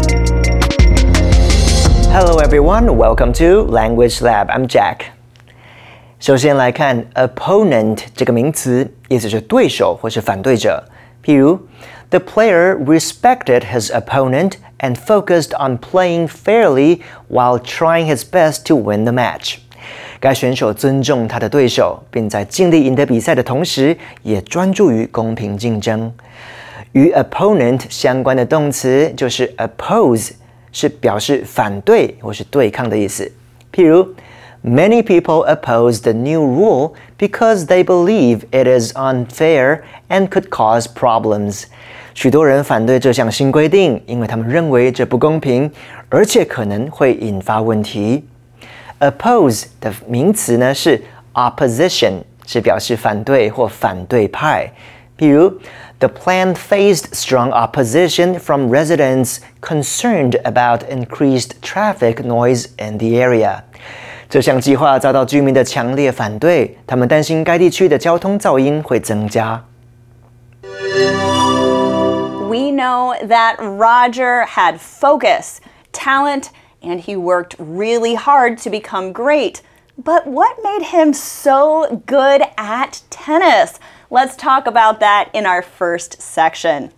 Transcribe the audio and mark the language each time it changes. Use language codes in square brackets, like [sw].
[en] Hello everyone, welcome to Language Lab, I'm Jack. [zh] 首先来看 opponent 这个名词，意思是对手或是反对者。譬如 [en] The player respected his opponent and focused on playing fairly while trying his best to win the match. [zh] 该选手尊重他的对手，并在尽力赢得比赛的同时，也专注于公平竞争。与 opponent 相关的动词就是 oppose，是表示反对或是对抗的意思。譬如 [en] Many people oppose the new rule because they believe it is unfair and could cause problems. [zh] 许多人反对这项新规定，因为他们认为这不公平，而且可能会引发问题。 Oppose 的名词呢是 opposition， 是表示反对或反对派。譬如 [en] The plan faced strong opposition from residents concerned about increased traffic noise in the area. [zh] 这项计划遭到居民的强烈反对，他们担心该地区的交通噪音会增加。 [en] We know that Roger had focus, talent, and he worked really hard to become great. But what made him so good at tennis? Let's talk about that in our first section.